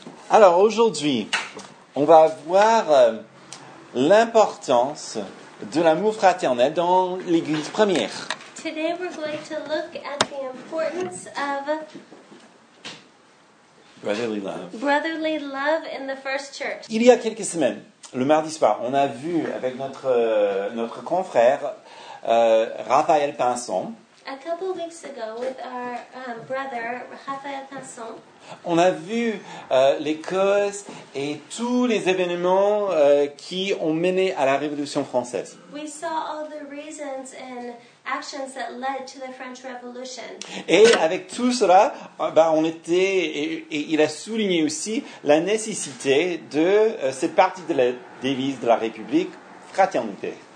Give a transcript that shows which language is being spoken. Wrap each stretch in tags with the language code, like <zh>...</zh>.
<fr>Alors aujourd'hui, on va voir l'importance de l'amour fraternel dans l'Église première.</fr> <en>Today we're going to look at the importance of brotherly love. Brotherly love in the first church.</en> <fr>Il y a quelques semaines, le mardi soir, on a vu avec notre confrère Raphaël Pinson.</fr> <en>A couple of weeks ago, with our brother Raphaël Pinson.</en> <fr>On a vu les causes et tous les événements qui ont mené à la Révolution française.</fr> <en>We saw all the reasons and actions that led to the French Revolution.</en> <fr>Et avec tout cela, on était et il a souligné aussi la nécessité de cette partie de la devise de la République, fraternité.</fr>